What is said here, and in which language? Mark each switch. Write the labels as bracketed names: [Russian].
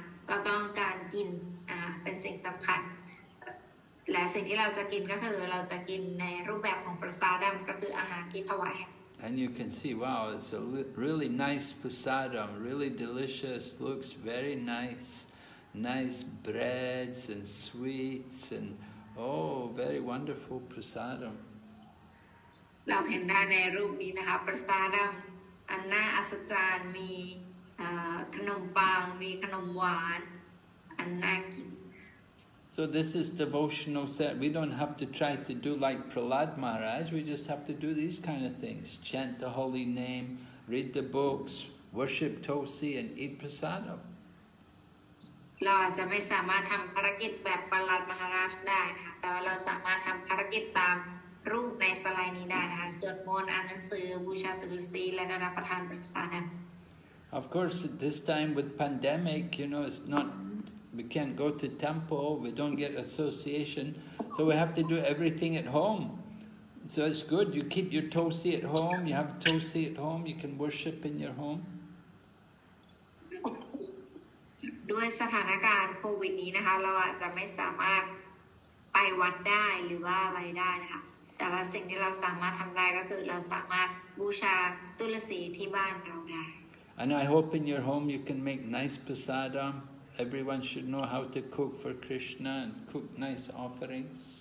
[Thai] ก็ต้องการกินเป็นสิ่งสำคัญและสิ่งที่เราจะกินก็คือเราจะกินในรูปแบบของปรสาดัมก็คืออาหารที่ถวาย [English] And you can see, wow, it's a really nice prasadam, really delicious, looks very nice, nice breads and sweets and oh, very wonderful prasadam. [Thai] เราเห็นได้ในรูปนี้นะคะปราสาทอันน่าอัศจรรย์มีขนมปังมีขนมหวานอันน่ากิน [English] So this is devotional set. We don't have to try to do like Prahlad Maharaj. We just have to do these kind of things. Chant the holy name, read the books, worship Tulsi and eat prasadam. [Thai] เราจะไม่สามารถทำภารกิจแบบปราสาทมหาราชได้นะคะแต่ว่าเราสามารถทำภารกิจตามรูปในสไลด์นี้ได้นะคะสวดมนต์อ่านหนังสือบูชาตุลสีและก็รับประทานปรสาทน [English] Of course at this time with pandemic you know it's not we can't go to temple we don't get association so we have to do everything at home So it's good. You keep your tosi at home. You have tosi at home. You can worship in your home. [Thai] ด้วยสถานการณ์โควิดนี้นะคะเราอาจจะไม่สามารถไปวัดได้หรือว่าอะไรได้นะคะแต่ว่าสิ่งที่เราสามารถทำได้ก็คือเราสามารถบูชาตุลสีที่บ้านเราได้ [English] And I hope in your home you can make nice prasadam. Everyone should know how to cook for Krishna and cook nice offerings.